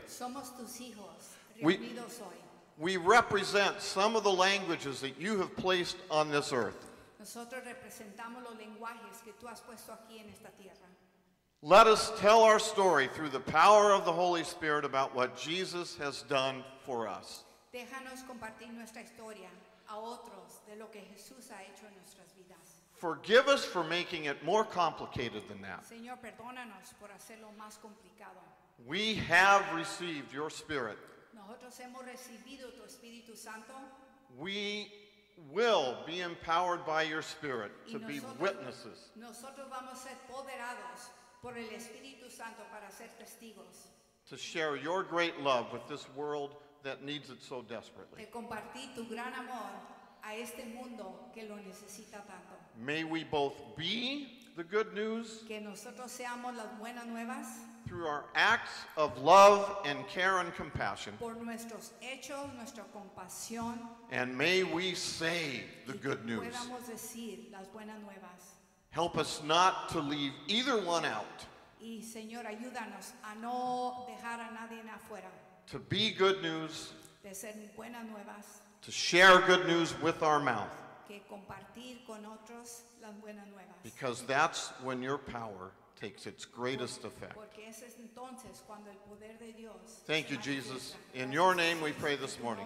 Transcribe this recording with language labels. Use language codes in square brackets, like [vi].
[es] Somos tus hijos, reunidos hoy. [en] We represent some of the languages that you have placed on this earth. [es] Nosotros representamos los lenguajes que tú has puesto aquí en esta tierra. [en] Let us tell our story through the power of the Holy Spirit about what Jesus has done for us. [es] Déjanos compartir nuestra historia a otros de lo que Jesús ha hecho en nuestras vidas. [en] Forgive us for making it more complicated than that. [es] Señor, perdónanos por hacerlo más complicado. [en] We have received your Spirit. [es] Nosotros hemos recibido tu Espíritu Santo. [en] We will be empowered by your Spirit to be witnesses. [es] Nosotros vamos a ser poderados por el Espíritu Santo para ser testigos. [en] To share your great love with this world that needs it so desperately. [es] De compartir tu gran amor a este mundo que lo necesita tanto. [en] May we both be the good news, [es] que nosotros seamos las buenas nuevas, [en] through our acts of love and care and compassion, [es] por nuestros hechos, nuestra compasión, [en] and may we say the good news. [es] Podamos decir las buenas nuevas. [en] Help us not to leave either one out. [es] Y Señor, ayúdanos a no dejar a nadie afuera. [en] To be good news, [es] de ser buenas nuevas, [en] to share good news with our mouth. [es] Que compartir con otros las buenas nuevas. [en] Because that's when your power takes its greatest effect. [es] Porque ese es entonces cuando el poder de Dios. [en] Thank you, Jesus. In your name we pray this morning.